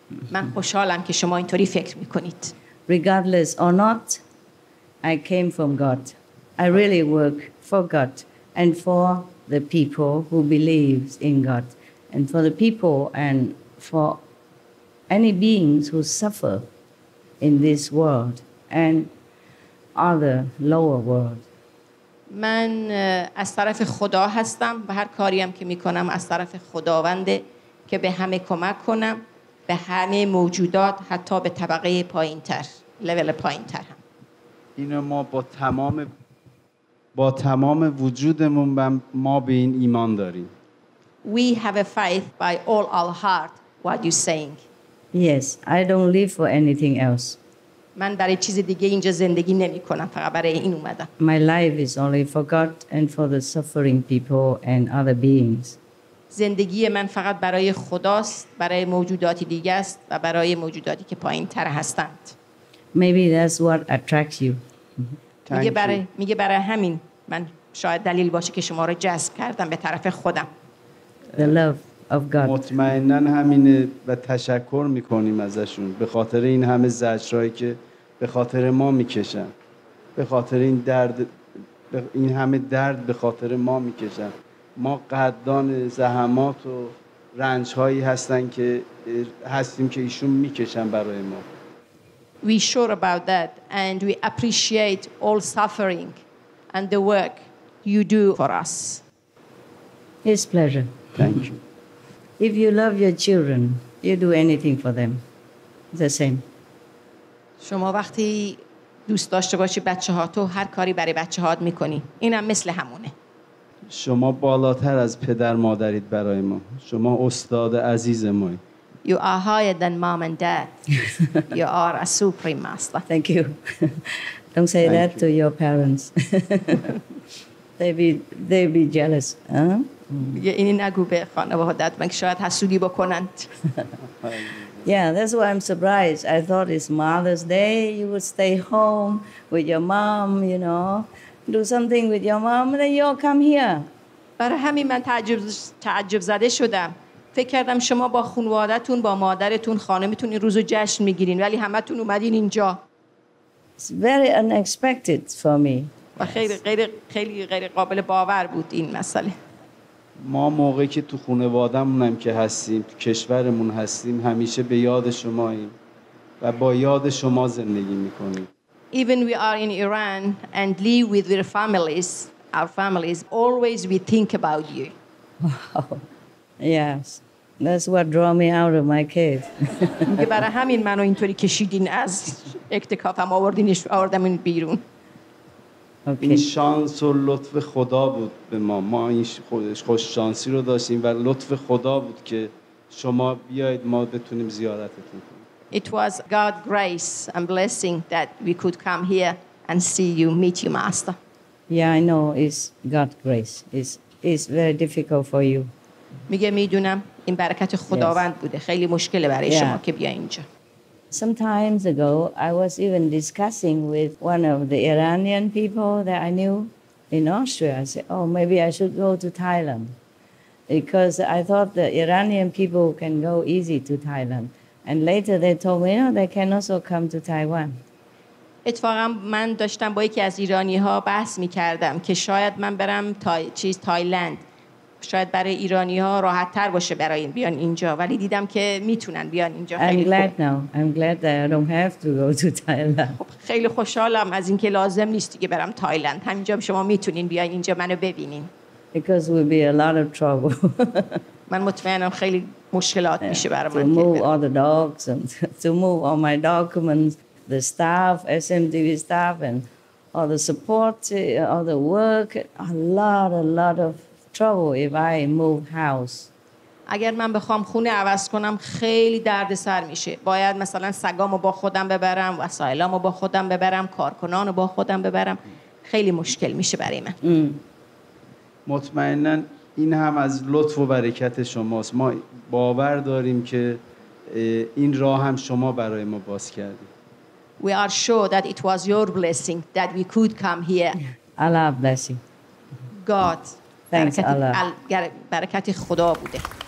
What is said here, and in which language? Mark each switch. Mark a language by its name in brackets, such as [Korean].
[Persian] من خوشحالم که شما اینطوری فکر میکنید. [English] Regardless or not, I came from God. I really work for God and for the people who believe in God. And for the people and for any beings who suffer in this world and other lower world. [Persian] من از طرف خدا هستم و هر کاری هم که می کنم از طرف خداونده که به همه کمک کنم، به همه موجودات، حتی به طبقه پایین تر، لول پایین تر هم. اینو ما با تمام وجودمون ما به این ایمان داریم. [English] We have a faith by all our heart what you're saying. Yes, I don't live for anything else. [Persian] من برای چیز دیگه اینجا زندگی نمی کنم، فقط برای این اومدم. [English] My life is only for God and for the suffering people and other beings. [Persian] زندگی من فقط برای خداست، برای موجودات دیگه است و برای موجوداتی که پایین تر هستند. [English] Maybe that's what attracts you. [Persian] میگه برای همین من شاید دلیل باشه که شما رو جذب کردم به طرف خودم. [English] The love of God. [Persian] مطمئنن همینه و تشکر میکنیم ازشون به خاطر این همه زجرهایی که به خاطر ما میکشن، به خاطر این درد، این همه درد به خاطر ما میکشن. ما قدردان زحمات و رنجهایی هستیم که ایشون میکشن برای ما. [English] We sure about that and we appreciate all suffering and the work you do for us. It's pleasure. Thank you. If you love your children, you do anything for them. The same. [Persian] شما وقتی دوست داشته باشی بچه‌ها، تو هر کاری برای بچه‌هات می‌کنی. اینم مثل همونه. شما بالاتر از پدر مادرید برای ما. شما استاد عزیز ما. [English] You are higher than mom and dad. You are a supreme master. Thank you. Don't say Thank that you. To your parents. They'd be jealous, huh? [Persian] میگه اینی نگو به خانوادت من که شاید حسودی بکنند. [English] Yeah, that's why I'm surprised. I thought it's Mother's Day. You would stay home with your mom, you know. do something with your mom, then you all come here. [Persian] برای همین من تعجب زده شدم. فکر کردم شما با خانوادتون با مادرتون خانمتون این روزو جشن میگیرین ولی همه تون اومدین اینجا. [English] It's very unexpected for me. [Persian] و خیلی غیر قابل باور بود این مسئله. ما موقعی که تو خانوادمونم که هستیم تو کشورمون هستیم همیشه به یاد شماییم و با یاد شما زندگی میکنیم. [English] Even we are in Iran and live with their families, our families, always we think about you. Yes, that's what draw me out of my cave. [Persian] میگه برای همین منو اینطوری کشیدین از اکتکافم آوردینش آوردمون بیرون. این شانس و لطف خدا بود به ما. ما این خوش شانسی رو داشتیم و لطف خدا بود که شما بیاید ما بتونیم زیارتتون کنیم. [English] It was God's grace and blessing that we could come here and see you, meet you, Master. Yeah, I know it's God's grace. It's very difficult for you. [Persian] میگه میدونم این برکت خداوند بوده. خیلی مشکله برای شما که بیا اینجا. [English] Some times ago, I was even discussing with one of the Iranian people that I knew in Austria. I said, oh, maybe I should go to Thailand. Because I thought the Iranian people can go easy to Thailand. And later they told me, no, they can also come to Taiwan. [Persian] اتفاقا من داشتم با یکی از ایرانی ها بحث می کردم که شاید من برم تایلند. شاید برای ایرانی ها راحت تر باشه برای بیان اینجا. ولی دیدم که میتونن بیان اینجا. [English] I'm glad now. I'm glad that I don't have to go to Thailand. [Persian] خیلی خوشحالم از این که لازم نیست که برم تایلند. همینجا شما میتونین بیان اینجا منو ببینین. [English] Because we'll be a lot of trouble. [Persian] من مطمئنم خیلی مشکلات میشه برام. [English] To move all the dogs and to move all my documents, the staff, SMTV staff and all the support, all the work, a lot of trouble if I move house. [Persian] اگر من بخوام خونه عوض کنم خیلی دردسر میشه. باید مثلا سگامو با خودم ببرم، وسایلامو با خودم ببرم، کارکنانو با خودم ببرم. خیلی مشکل میشه برای من. مطمئنا این هم از لطف و برکت شماست. ما باور داریم که این راه هم شما برای ما باز کردید. [English] We are sure that it was your blessing that we could come here. Allah blessing. God. Thanks Allah. [Persian] برکت خدا بوده.